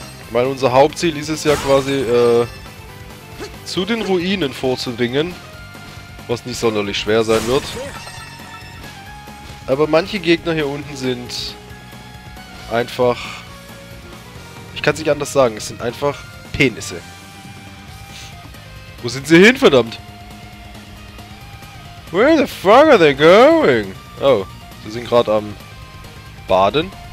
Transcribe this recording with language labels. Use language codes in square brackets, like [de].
[de] Weil unser Hauptziel ist es ja quasi, zu den Ruinen vorzudringen, was nicht sonderlich schwer sein wird. Aber manche Gegner hier unten sind einfach... Ich kann es nicht anders sagen, es sind einfach Penisse. Wo sind sie hin, verdammt? [en] Where the fuck are they going? [de] Oh, sie sind gerade am Baden?